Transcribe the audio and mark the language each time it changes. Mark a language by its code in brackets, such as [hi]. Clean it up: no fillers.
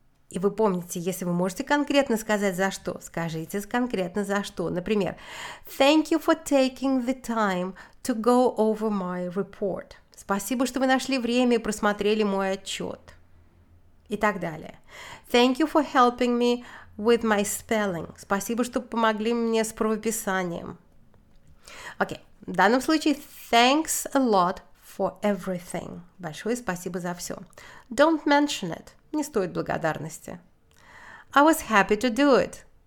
[ru] И вы помните, если вы можете конкретно сказать за что, скажите конкретно за что. Например, [en] thank you for taking the time to go over my report. [ru] Спасибо, что вы нашли время и просмотрели мой отчет. И так далее. [en] Thank you for helping me with my spelling. [ru] Спасибо, что помогли мне с правописанием. [en] Окей, [ru] в данном случае [en] thanks a lot for everything. [ru] Большое спасибо за все. [en] Don't mention it. [ru] Не стоит благодарности. [en] I was happy to do it.